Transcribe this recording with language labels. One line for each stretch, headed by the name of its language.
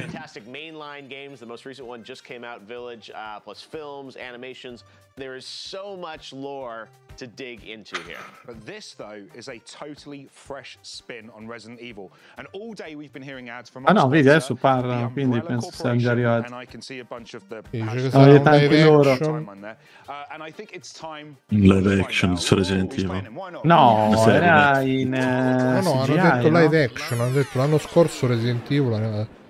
English: Fantastic mainline games, the most recent one just came out, Village, plus films, animations. There is so much lore to dig into here. But this though is a totally fresh spin on Resident Evil. And all day we've been hearing ads from.
Italian: Ah no, vedi, adesso parla, quindi penso che siamo già arrivati.
English: And I can see a bunch of the and I think it's time live action
Italian: su
English: Resident Evil.
Italian: No, era in CGI, no, hanno detto live action, hanno detto l'anno scorso Resident Evil.